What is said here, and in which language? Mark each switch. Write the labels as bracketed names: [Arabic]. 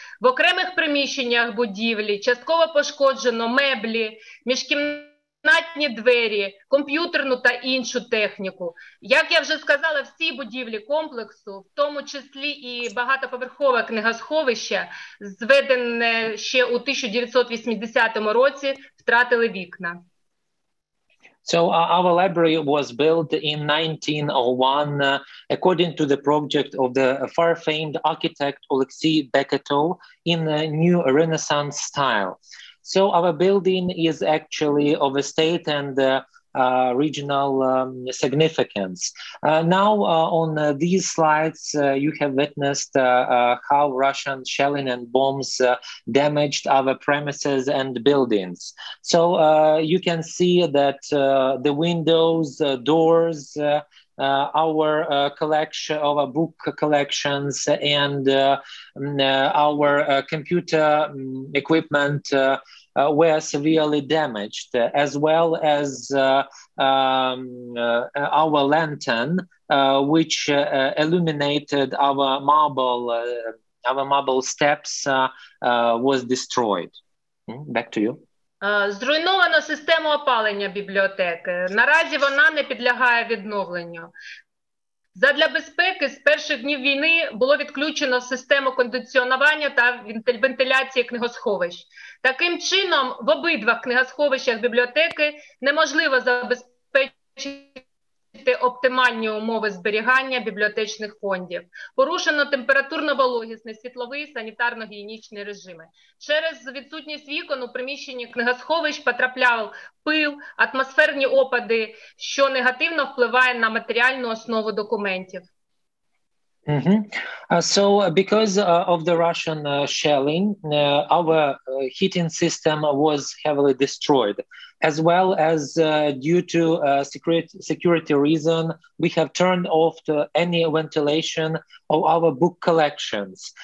[Ukrainian] В окремих приміщеннях будівлі частково пошкоджено меблі, міжкімнатні двері, комп'ютерну та іншу техніку. Як я вже сказала, всі будівлі комплексу, в тому числі і багатоповерхове книгосховище, зведене ще у 1980 році, втратили вікна. [English] So our library was built in 1901 according to the project of the far-famed architect Oleksiy Beketov in a new Renaissance style. So our building is actually of a state and regional significance. Now on these slides you have witnessed how Russian shelling and bombs damaged our premises and buildings. So you can see that the windows, doors, our collection of our book collections and our computer equipment were severely damaged, as well as our lantern, which illuminated our marble steps, was destroyed. Back to you. [Ukrainian] Зруйновано систему опалення бібліотеки. Наразі вона не підлягає відновленню. Задля безпеки з перших днів війни було відключено систему кондиціонування та вентиляції книгосховищ. Таким чином, в обидва книгосховищах бібліотеки неможливо забезпечити оптимальні умови зберігання бібліотечних фондів. Порушено температурно-вологісний, світловий, санітарно-гігієнічний режими. Через відсутність вікон у приміщенні книгосховищ потрапляв пил, атмосферні опади, що негативно впливає на матеріальну основу документів. Mm-hmm. [English] So because of the Russian shelling, our heating system was heavily destroyed, as well as due to security reason, we have turned off any ventilation of our book collections.